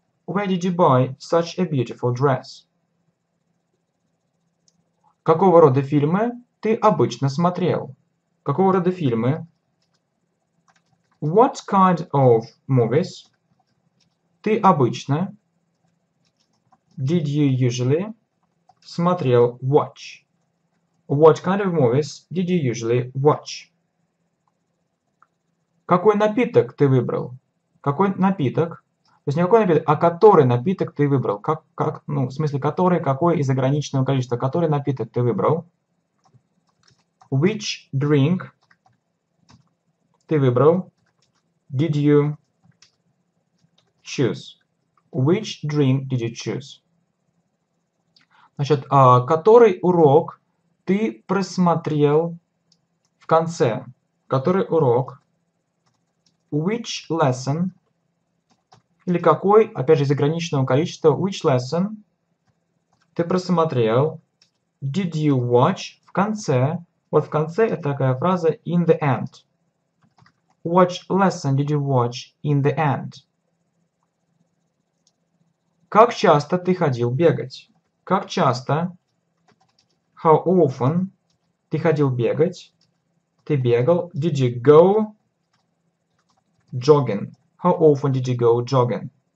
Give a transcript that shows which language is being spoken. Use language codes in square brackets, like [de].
[en] Where did you buy such a beautiful dress? [ru] Какого рода фильмы ты обычно смотрел? Какого рода фильмы? [en] What kind of movies [ru] ты обычно, [en] did you usually, [ru] смотрел, [en] watch? What kind of movies did you usually watch? [ru] Какой напиток ты выбрал? Какой напиток? То есть не какой напиток, а который напиток ты выбрал? Какой из ограниченного количества? Который напиток ты выбрал? [en] Which drink [ru] ты выбрал? [en] Did you choose? Which drink did you choose? [ru] Значит, который урок ты просмотрел в конце? Который урок? [en] Which lesson? [ru] Или какой, опять же, из ограниченного количества, [en] which lesson [ru] ты просмотрел? [en] Did you watch? [ru] В конце. Вот в конце это такая фраза [en] in the end. Which lesson did you watch in the end? [ru] Как часто ты ходил бегать? Как часто? [en] How often [ru] ты ходил бегать? Ты бегал? [en] Did you go jogging? How often did you go jogging?